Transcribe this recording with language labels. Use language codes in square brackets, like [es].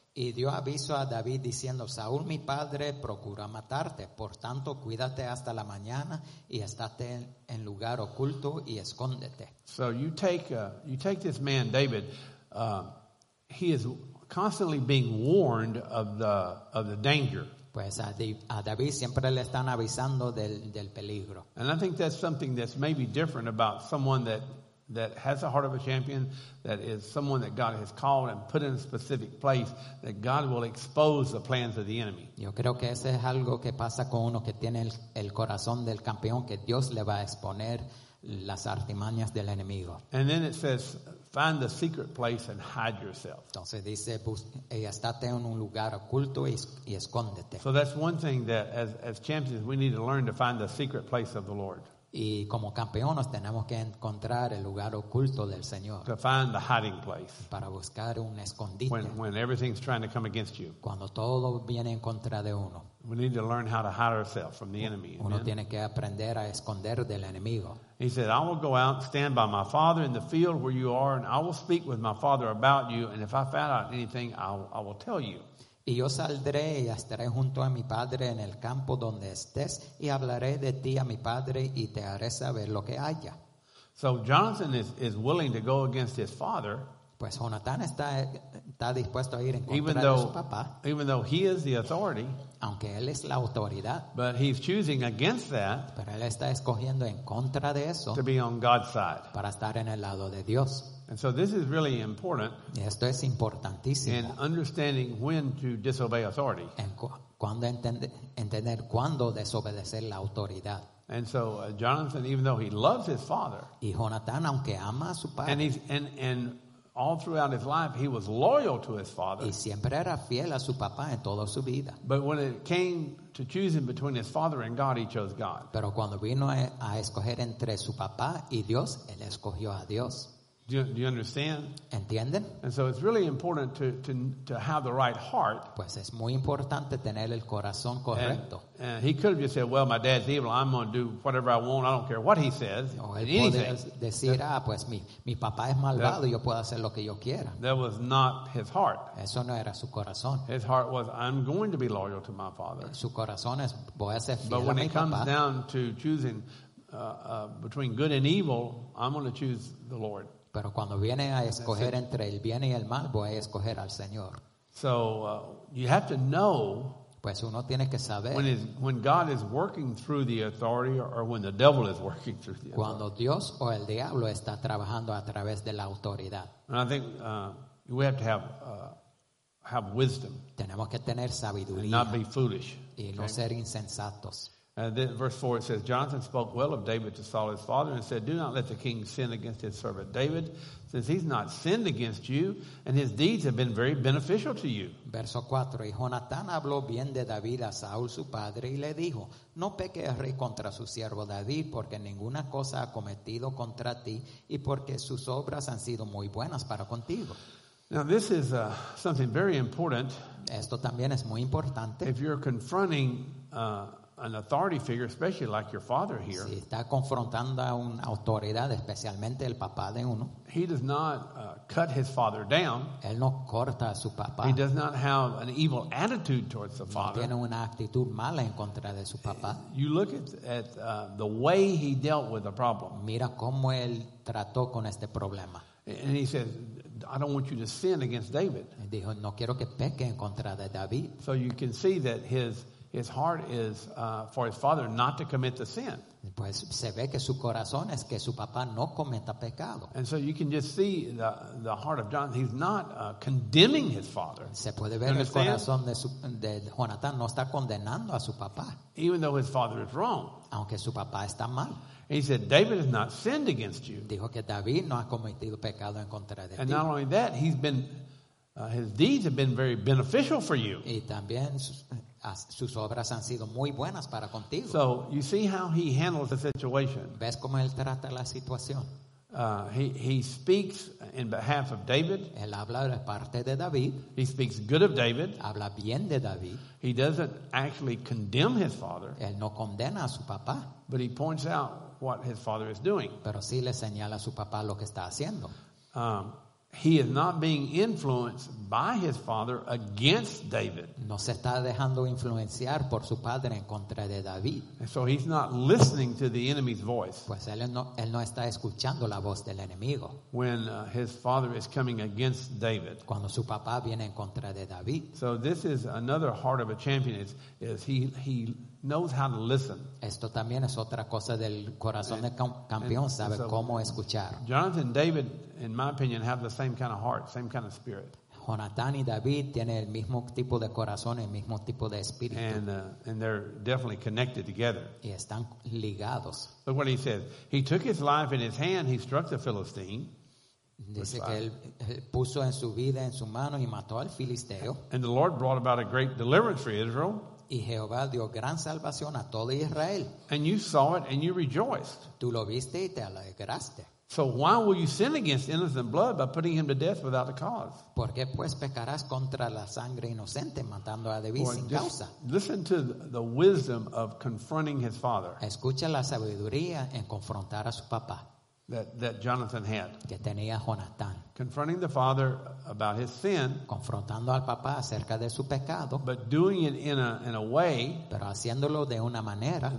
[es] Y dio aviso a David diciendo, Saúl, mi padre, procura matarte. Por tanto, cuídate hasta la mañana y estate en lugar oculto y escóndete. [en] So you take this man, David, he is constantly being warned of the danger. [es] Pues a David siempre le están avisando del, del peligro. [en] And I think that's something that's maybe different about someone that that has the heart of a champion, that is someone that God has called and put in a specific place, that God will expose the plans of the enemy. [es] Yo creo que ese es algo que pasa con uno que tiene el, el corazón del campeón, que Dios le va a exponer las artimañas del enemigo. [en] And then it says, find the secret place and hide yourself. [es] Entonces dice, estate en un lugar oculto y escóndete. [en] So that's one thing that as champions we need to learn, to find the secret place of the Lord. [es] Y como campeones tenemos que encontrar el lugar oculto del Señor. [en] To find the hiding place. [es] Para buscar un escondite. [en] When everything's trying to come against you. [es] Cuando todo viene en contra de uno. [en] We need to learn how to hide ourselves from the enemy. [es] Uno tiene que aprender a esconder del enemigo. [en] He said, I will go out and stand by my father in the field where you are, and I will speak with my father about you, and if I find out anything, I will tell you. [es] Y yo saldré y estaré junto a mi padre en el campo donde estés y hablaré de ti a mi padre y te haré saber lo que haya. [en] So Jonathan is willing to go against his father. [es] Pues Jonathan está dispuesto a ir en contra de su papá. [en] Even though he is the authority. [es] Aunque él es la autoridad. [en] But he's choosing against that. [es] Pero él está escogiendo en contra de eso. [en] To be on God's side. [es] Para estar en el lado de Dios. [en] And so this is really important. [es] Esto es importantísimo. [en] In understanding when to disobey authority. [es] En cuando entender cuándo desobedecer la autoridad. [en] And so Jonathan, even though he loves his father. [es] Y Jonathan, aunque ama a su padre. [en] And all throughout his life, he was loyal to his father. [es] Y siempre era fiel a su papá en toda su vida. [en] But when it came to choosing between his father and God, he chose God. [es] Pero cuando vino a escoger entre su papá y Dios, él escogió a Dios. [en] Do you understand? [es] ¿Entienden? [en] And so it's really important to have the right heart. [es] Pues es muy importante tener el corazón correcto. [en] And he could have just said, well, my dad's evil. I'm going to do whatever I want. I don't care what he says. [es] O él podría decir, ah, pues mi papá es malvado y yo puedo hacer lo que yo quiera. [en] That was not his heart. [es] Eso no era su corazón. [en] His heart was, I'm going to be loyal to my father. [es] Su corazón es, voy a ser fiel a mi papá. [en] But when it comes [es] papá. [en] Down to choosing between good and evil, I'm going to choose the Lord. [es] Pero cuando viene a escoger entre el bien y el mal, voy a escoger al Señor. [en] So you have to know. [es] Pues uno tiene que saber. [en] When God is working through the authority, or when the devil is working through the authority. [es] Cuando Dios o el diablo está trabajando a través de la autoridad. [en] And I think we have to have wisdom. [es] Tenemos que tener sabiduría. [en] And not be foolish. [es] Y no ser insensatos. [en] And then verse 4 it says, Jonathan spoke well of David to Saul his father and said, do not let the king sin against his servant David, since he's not sinned against you and his deeds have been very beneficial to you. [es] Verso 4, y Jonathan habló bien de David a Saúl su padre y le dijo, no peque el rey contra su siervo David porque ninguna cosa ha cometido contra ti y porque sus obras han sido muy buenas para contigo. [en] Now this is something very important. [es] Esto también es muy importante. [en] If you're confronting an authority figure, especially like your father here. [es] Si está confrontando a una autoridad, especialmente el papá de uno. [en] He does not cut his father down. [es] Él no corta a su papá. [en] He does not have an evil attitude towards the father. [es] No tiene una actitud mala en contra de su papá. [en] You look at the way he dealt with the problem. [es] Mira cómo él trató con este problema. [en] And he says, I don't want you to sin against David. [es] Y dijo, no quiero que peque en contra de David. [en] So you can see that his heart is for his father not to commit the sin. [es] Pues se ve que su corazón es que su papá no cometa pecado. [en] And so you can just see the heart of John. He's not condemning his father. [es] Se puede ver el corazón de Jonathan no está condenando a su papá. [en] Even though his father is wrong. [es] Aunque su papá está mal. [en] He said, David has not sinned against you. [es] Dijo que David no ha cometido pecado en contra de ti. [en] And not only that, he's been his deeds have been very beneficial for you. [es] Y también sus obras han sido muy buenas para contigo. [en] So you see how he handles the situation. [es] ¿Ves cómo él trata la situación? [en] He speaks in behalf of David. [es] Él habla de parte de David. [en] He speaks good of David. [es] Habla bien de David. [en] He doesn't actually condemn his father. [es] Él no condena a su papá. [en] But he points out what his father is doing. [es] Pero sí le señala a su papá lo que está haciendo. [en] He is not being influenced by his father against David. [es] No se está dejando influenciar por su padre en contra de David. [en] And so he's not listening to the enemy's voice. [es] Pues él no está escuchando la voz del enemigo. [en] When his father is coming against David. [es] Cuando su papá viene en contra de David. [en] So this is another heart of a champion is he knows how to listen. [es] Esto también es otra cosa del corazón del campeón, sabe so cómo escuchar. [en] Jonathan, David, in my opinion, have the same kind of heart, same kind of spirit. [es] Jonathan y David tienen el mismo tipo de corazón, el mismo tipo de espíritu. [en] And they're definitely connected together. [es] Y están ligados. [en] Look what he says. He took his life in his hand. He struck the Philistine. [es] Dice que él puso en su vida, en su mano, y mató al filisteo. [en] And the Lord brought about a great deliverance for Israel. [es] Y Jehová dio gran salvación a todo Israel. [en] And you saw it and you rejoiced. [es] Tú lo viste y te alegraste. [en] So why will you sin against innocent blood by putting him to death without a cause? [es] ¿Por qué pues pecarás contra la sangre inocente matando a David sin causa? [en] Listen to the wisdom of confronting his father. [es] Escucha la sabiduría en confrontar a su papá. [en] That Jonathan had. [es] Que tenía Jonathan. [en] Confronting the father about his sin. [es] Confrontando al papá acerca de su pecado. [en] But doing it in a way. [es] Pero haciéndolo de una manera.